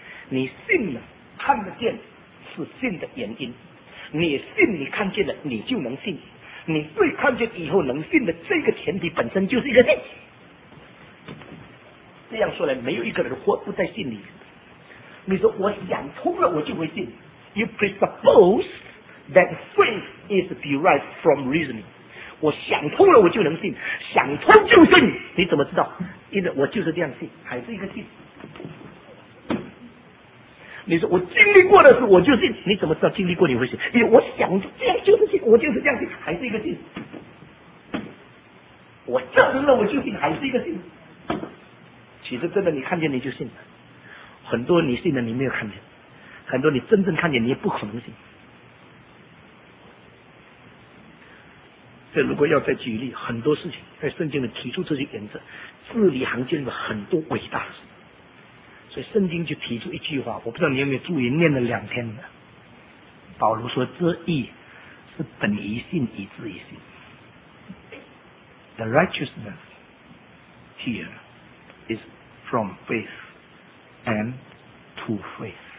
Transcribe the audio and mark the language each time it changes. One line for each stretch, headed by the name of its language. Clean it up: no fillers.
Chinese: 你信了，看得见是信的原因。你信你看见了，你就能信。你对看见以后能信的这个前提本身就是一个信。这样说来，没有一个人活不在信里。你说我想通了，我就会信。
English: You presuppose that faith is derived from reasoning.
Chinese: 我想通了，我就能信。想通就信，你怎么知道？因为我就是这样信，还是一个信。你说我经历过的事我就信，你怎么知道经历过你会信？因为我想这样就是信，我就是这样信，还是一个信。我证明了我就信，还是一个信。其实真的你看见你就信了，很多你信的你没有看见，很多你真正看见你也不可能信。这如果要再举例，很多事情在圣经里提出这些原则，字里行间的很多伟大的事。所以圣经就提出一句话，我不知道你有没有注意，念了两天的。保罗说：“这义是本于信，以至于信。”
English: The righteousness here is from faith and to faith.